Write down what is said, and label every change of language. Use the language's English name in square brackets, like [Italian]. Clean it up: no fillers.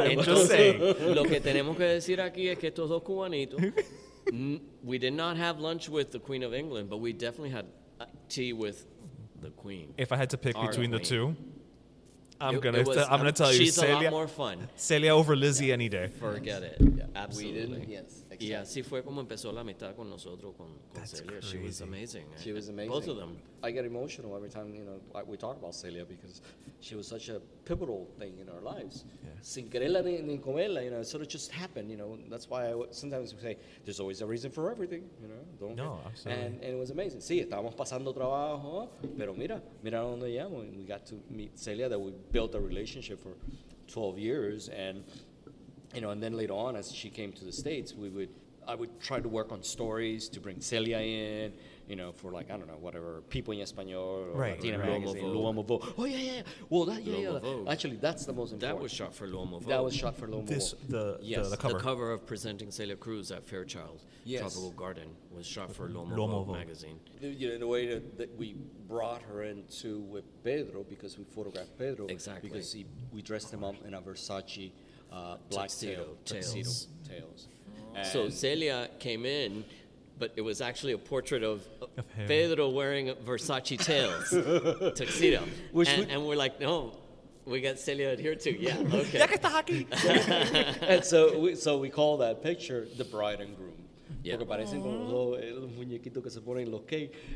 [Spanish] Entonces, lo que tenemos que decir aquí es que estos dos cubanitos, [English] we did not have lunch with the Queen of England, but we definitely had tea with the queen. If I had to pick between the two, I'm going to tell you, she's Celia, a lot more fun. Celia over Lizzie any day. Forget it. Yeah, absolutely. We didn't, yes. [Spanish] Y así fue como empezó la amistad con nosotros, con Celia. [English] Crazy. She was amazing. She was amazing. Both of them. I get emotional every time, you know, we talk about Celia because she was such a pivotal thing in our lives. [Spanish] Sin quererla ni comerla, [English] you know, it sort of just happened, you know. That's why sometimes we say, there's always a reason for everything, you know. Don't no, absolutely. And it was amazing. [Spanish] Sí, estábamos pasando trabajo, pero mira donde llamo. [English] And we got to meet Celia, that we built a relationship for 12 years and... You know, and then later on, as she came to the States, I would try to work on stories to bring Celia in, you know, for like, I don't know, whatever, People in Español, or right. Latina Magazine, Luomo Vo. Oh, yeah, yeah, yeah. Well, that, yeah, yeah. Actually, that's the most important. That was shot for Luomo Vo. The cover. The cover of Presenting Celia Cruz at Fairchild Tropical Garden was shot for Luomo Vo Magazine. You know, the way that we brought her into with Pedro, because we photographed Pedro. Exactly. Because we dressed him up in a Versace... black tuxedo. So Celia came in, but it was actually a portrait of Pedro wearing Versace tails tuxedo. And we're like, no, we got Celia here too. Yeah, okay. [Spanish] Ya que está aquí. [English] And so we call that picture the bride and groom. Yeah. [Spanish] Porque parecen como los muñequitos que se ponen los cake.